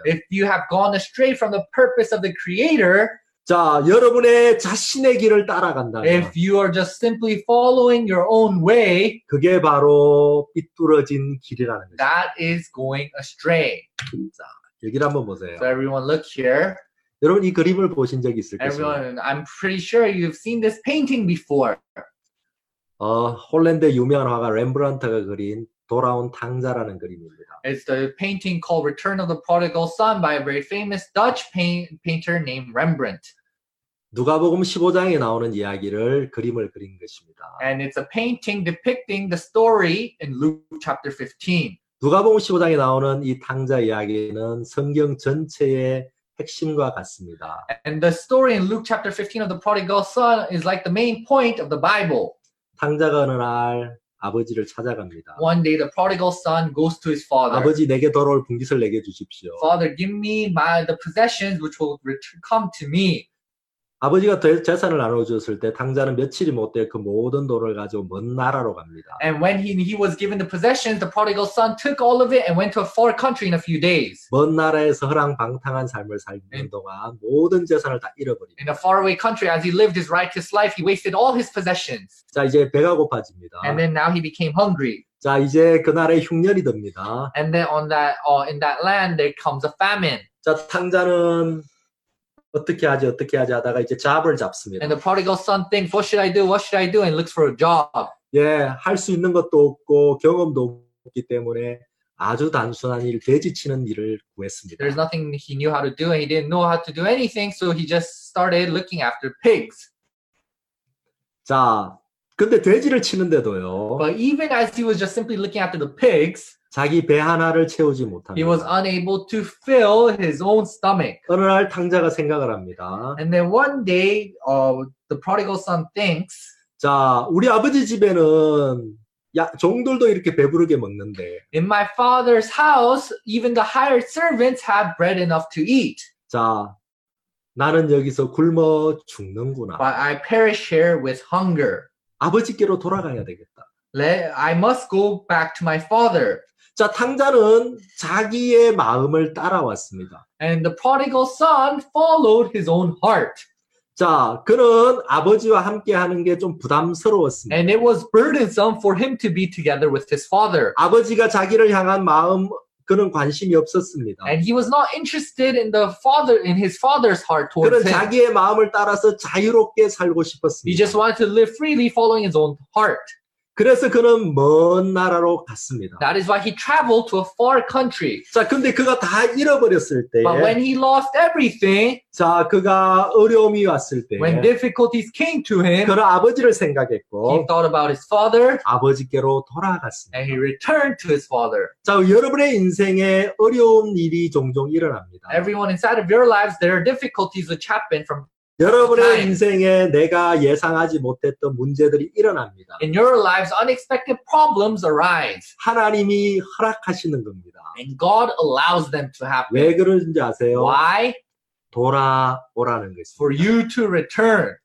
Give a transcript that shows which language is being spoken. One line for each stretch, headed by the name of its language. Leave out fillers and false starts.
English: If you have gone astray from the purpose of the Creator
Korean: 자, 여러분의 자신의 길을 따라간다면
English: If you are just simply following your own way
Korean: 그게 바로 삐뚤어진 길이라는 거죠.
English: That is going astray.
Korean: 자, 여기를 한번 보세요.
English: So everyone look here.
Korean: 여러분 이 그림을 보신 적 있을
English: everyone,
Korean: 것입니다.
English: I'm pretty sure you've seen this painting before.
Korean: 홀랜드의 유명한 화가 렘브란트가 그린 돌아온 탕자라는 그림입니다.
English: It's the painting called Return of the Prodigal Son by a very famous Dutch painter named Rembrandt.
Korean: 누가복음 15장에 나오는 이야기를 그림을 그린 것입니다.
English: And it's a painting depicting the story in Luke chapter 15.
Korean: 누가복음 15장에 나오는 이 탕자 이야기는 성경 전체의 핵심과 같습니다.
English: And the story in Luke chapter 15 of the prodigal son is like the main point of the Bible.
Korean: 탕자가 어느 날 아버지를 찾아갑니다.
English: One day the prodigal son goes to his father.
Korean: 아버지 내게 돌아올 분깃을 내게 주십시오.
English: Father, give me the possessions which will come to me.
Korean: 아버지가 재산을 나눠 주었을 때 탕자는 며칠이 못 돼 그 모든 돈을 가지고 먼 나라로 갑니다.
English: And when he was given the possessions, the prodigal son took all of it and went to a foreign country in a few days.
Korean: 먼 나라에서 허랑방탕한 삶을 살던 동안 모든 재산을 다 잃어버립니다.
English: In a faraway country, as he lived his righteous life, he wasted all his possessions.
Korean: 자 이제 배가 고파집니다.
English: And then now he became hungry.
Korean: 자 이제 그 나라에 흉년이 듭니다.
English: And then on that in that land there comes a famine.
Korean: 자 탕자는 어떻게 하지 하다가 이제 잡을 잡습니다.
English: And the prodigal son thinks, what should I do? What should I do? And looks for a job.
Korean: 예, 할 수 있는 것도 없고 경험도 없기 때문에 아주 단순한 일, 돼지치는 일을 구했습니다.
English: There's nothing he knew how to do and he didn't know how to do anything, so he just started looking after pigs.
Korean: 자, 근데 돼지를 치는데도요.
English: But even as he was just simply looking after the pigs,
Korean: 자기 배 하나를 채우지 못합니다.
English: He was unable to fill his own stomach.
Korean: 어느 날 탕자가 생각을 합니다.
English: And then one day, the prodigal son thinks,
Korean: 자, 우리 아버지 집에는 종들도 이렇게 배부르게 먹는데.
English: In my father's house, even the hired servants have bread enough to eat.
Korean: 자, 나는 여기서 굶어 죽는구나.
English: But I perish here with hunger.
Korean: 아버지께로 돌아가야 되겠다.
English: I must go back to my father.
Korean: 자, 탕자는 자기의 마음을 따라왔습니다.
English: And the prodigal son followed his own heart.
Korean: 자, 그는 아버지와 함께 하는 게 좀 부담스러웠습니다.
English: And it was burdensome for him to be together with his father.
Korean: 아버지가 자기를 향한 마음, 그는 관심이 없었습니다.
English: And he was not interested in the father, in his father's heart towards
Korean: 그는 자기의 마음을 따라서 자유롭게 살고 싶었습니다.
English: He just wanted to live freely following his own heart.
Korean: 그래서 그는 먼 나라로 갔습니다.
English: That is why he traveled to a far country.
Korean: 자, 근데 그가 다 잃어버렸을 때
English: But when he lost everything,
Korean: 자, 그가 어려움이 왔을 때
English: When difficulties came to him,
Korean: 그는 아버지를 생각했고
English: He thought about his father.
Korean: 아버지께로 돌아갔습니다.
English: And he returned to his father.
Korean: 자, 여러분의 인생에 어려운 일이 종종 일어납니다.
English: Everyone inside of your lives there are difficulties which happen from
Korean: 여러분의 인생에 내가 예상하지 못했던 문제들이 일어납니다.
English: In your lives, unexpected problems arise.
Korean: 하나님이 허락하시는 겁니다.
English: And God allows them to happen.
Korean: 왜 그러는지 아세요?
English: Why?
Korean: 돌아오라는 것입니다.
English: For you to return.